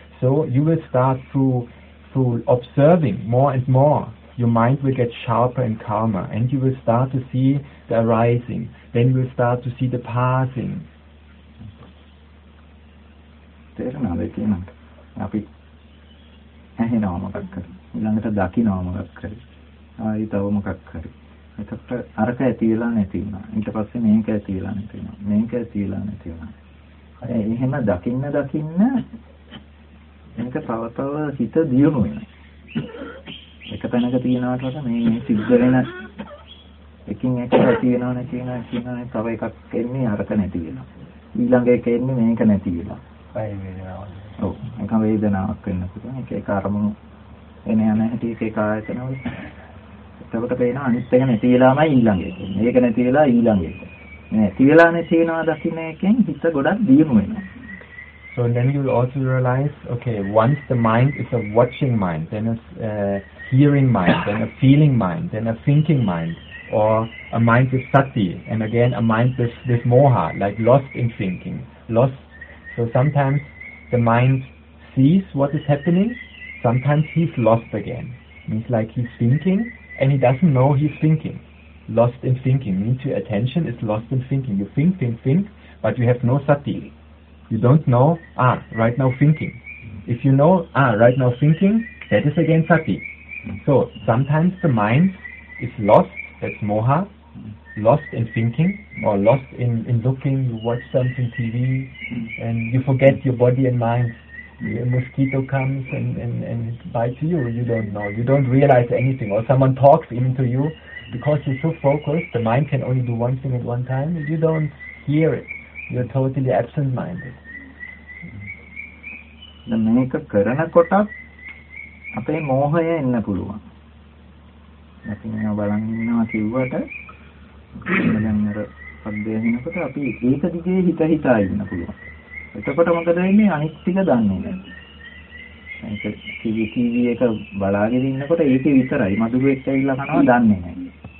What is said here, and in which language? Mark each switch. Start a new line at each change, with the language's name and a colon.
English: So you will start through observing more and more. Your mind will get sharper and calmer, and you will start to see the arising. Then you will start to see the passing.
Sinhala: තේරෙනවද කියන්නේ අපි ඇහෙනවම කරකරි ඊළඟට දකින්නවම කරකරි ආයි තව මොකක් හරි. එතකොට අරක ඇතිලා නැති වුණා. ඊට පස්සේ මේක ඇතිලා නැති වුණා. මේක ඇතිලා නැති වුණා. එහෙම දකින්න දකින්න මේක තව තව හිත දියුණු වෙනවා. එක තැනක තියනකොට මේ සිද්ධ වෙන එකකින් එකක් තියෙනව නැති වෙනවා කියන තව එකක් එන්නේ අරක නැති වෙනවා. ඊළඟ එක එන්නේ මේක නැති වෙනවා. හයි වෙනවා. ඔව්. එක වේදනාවක් වෙන්න පුළුවන්. එක එක අරමුණු එන යන හැටි එක ආයතන වල. එතකොට පේනවා අනිත් එක නැති වෙලාමයි ඊළඟ එක. මේක නැති වෙලා ඊළඟ එක. මේ නැති වෙලා නැති වෙනවා දකින්න එකෙන් හිත ගොඩක් දියුණු වෙනවා.
English: So then you will also realize, okay, once the mind is a watching mind, then a hearing mind, then a feeling mind, then a thinking mind, or a mind with sati, and again a mind with moha, like lost in thinking, lost. So sometimes the mind sees what is happening, sometimes he's lost again. Means like he's thinking, and he doesn't know he's thinking. Lost in thinking, means your attention is lost in thinking. You think, but you have no sati. You don't know, right now thinking. If you know, right now thinking, that is again sati. So sometimes the mind is lost, that's moha, lost in thinking, or lost in looking, you watch something TV, and you forget your body and mind. A mosquito comes and bites you, you don't know, you don't realize anything, or someone talks even to you, because you're so focused, the mind can only do one thing at one time, and you don't hear it. You're totally absent-minded. Then
Sinhala: මේක කරනකොට අපේ මෝහය එන්න පුළුවන්. නැත්නම් ඒවා බලන් ඉන්නවා කිව්වට දැන් අර සද්දය වෙනකොට අපි ඒක දිගේ හිත හිතා ඉන්න පුළුවන්. එතකොට මොකද වෙන්නේ අනිත් ටික දන්නේ නැහැ. මේක ටීවී එක බලාගෙන ඉන්නකොට ඒක විතරයි මදුරෙක් ඇවිල්ලා කනවා දන්නේ නැහැ.